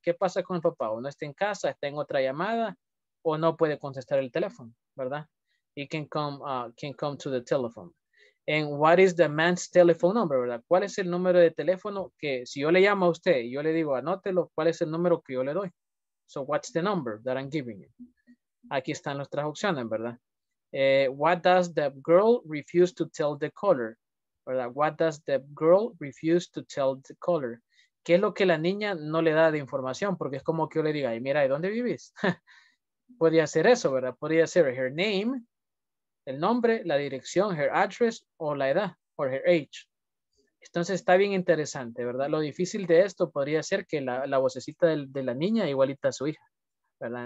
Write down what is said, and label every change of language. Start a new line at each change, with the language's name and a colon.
Spanish: ¿Qué pasa con el papá? ¿O no está en casa, está en otra llamada, o no puede contestar el teléfono, ¿verdad?
English: He can come to the telephone. And what is the man's telephone number,
Spanish: ¿verdad? ¿Cuál es el número de teléfono que, si yo le llamo a usted, yo le digo, anótelo, ¿cuál es el número que yo le doy?
English: So what's the number that I'm giving you?
Spanish: Aquí están nuestras opciones, ¿verdad?
English: What does the girl refuse to tell the caller?
Spanish: ¿Verdad?
English: What does the girl refuse to tell the caller?
Spanish: ¿Qué es lo que la niña no le da de información? Porque es como que yo le diga, ay, mira, ¿y dónde vivís? Podría ser eso, ¿verdad? Podría ser
English: her name,
Spanish: el nombre, la dirección,
English: her address,
Spanish: o la edad,
English: or her age.
Spanish: Entonces está bien interesante, ¿verdad? Lo difícil de esto podría ser que la vocecita de la niña igualita a su hija, ¿verdad?